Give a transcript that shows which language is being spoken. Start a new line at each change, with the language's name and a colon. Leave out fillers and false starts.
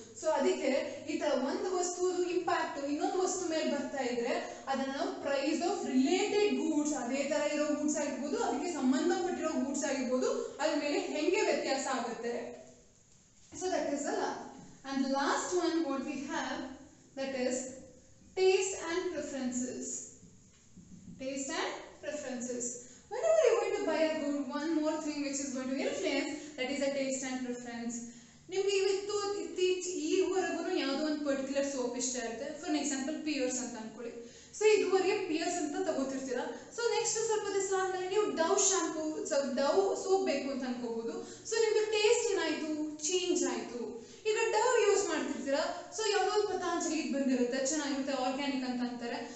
Kannada: So ಅದಕ್ಕೆ ಈ ತರ ಒಂದು ವಸ್ತುದು ಇಂಪ್ಯಾಕ್ಟ್ ಇನ್ನೊಂದು ವಸ್ತು ಮೇಲೆ ಬರ್ತಾ ಇದ್ರೆ ಅದನ್ನ ನಾವು ಪ್ರೈಸ್ ಆಫ್ ರಿಲೇಟೆಡ್ ಗೂಡ್ಸ್, ಅದೇ ತರ ಇರೋ ಗೂಡ್ಸ್ ಆಗಿರ್ಬೋದು, ಅದಕ್ಕೆ ಸಂಬಂಧಪಟ್ಟಿರೋ ಗೂಡ್ಸ್ ಆಗಿರ್ಬೋದು, ಅದ್ರ ಮೇಲೆ ಹೆಂಗೆ ವ್ಯತ್ಯಾಸ ಆಗುತ್ತೆ.
English: So that is all and last one what we have, that is taste and preferences. Taste and preferences. Whenever you're going to buy a good, one more thing which is going to influence, that is a taste and preference.
Kannada: ನಿಮ್ಗೆ ಇವತ್ತು ಈವರೆಗೂ ಯಾವುದೋ ಒಂದು particular soap ಇಷ್ಟ ಇರುತ್ತೆ, for example pears ಅಂತ ಅನ್ಕೊಳ್ಳಿ. So ಇದುವರೆಗೆ ಪಿಯರ್ಸ್ ಅಂತ ತಗೋತಿರ್ತೀರ, ಸೊ ನೆಕ್ಸ್ಟ್ ಸ್ವಲ್ಪ ದಿವಸ ಆದ್ಮೇಲೆ ನೀವು ಡವ್ ಶಾಂಪೂ ಡವ್ ಸೋಪ್ ಬೇಕು ಅಂತ ಅನ್ಕೋಬಹುದು. ಸೊ ನಿಮ್ದು ಟೇಸ್ಟ್ ಏನಾಯ್ತು, ಚೇಂಜ್ ಆಯ್ತು. ಈಗ ಡವ್ ಯೂಸ್ ಮಾಡ್ತಿರ್ತೀರ, ಸೊ ಯಾವ್ದೋ ಒಂದು ಪತಂಜಲಿಗೆ ಬಂದಿರುತ್ತೆ, ಚೆನ್ನಾಗಿರುತ್ತೆ, ಆರ್ಗ್ಯಾನಿಕ್ ಅಂತ ಅಂತಾರೆ.